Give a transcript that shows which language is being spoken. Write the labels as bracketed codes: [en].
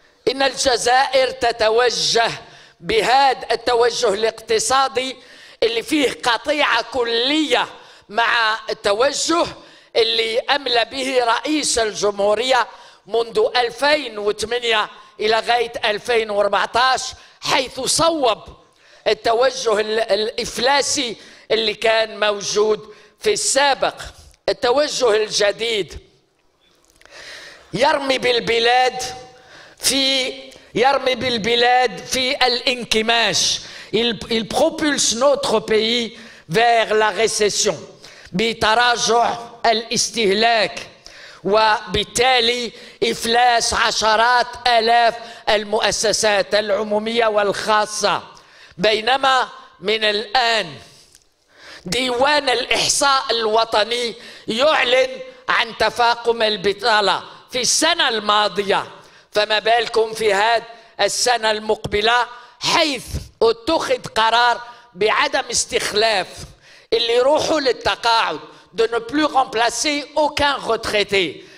[ar] إن الجزائر تتوجه بهذا التوجه الاقتصادي اللي فيه قطيعة كلية مع التوجه اللي أملى به رئيس الجمهورية منذ 2008 إلى غاية 2014، حيث صوب التوجه الإفلاسي اللي كان موجود في السابق. التوجه الجديد يرمي بالبلاد في يرمي بالبلاد في الانكماش. [fr] Il propulse notre pays vers la récession. [ar] بتراجع الاستهلاك وبالتالي إفلاس عشرات آلاف المؤسسات العمومية والخاصة. بينما من الآن ديوان الإحصاء الوطني يعلن عن تفاقم البطالة في السنة الماضية، فما بالكم في هذه السنة المقبلة، حيث اتخذ قرار بعدم استخلاف اللي يروحوا للتقاعد، [fr] de ne plus remplacer aucun retraité.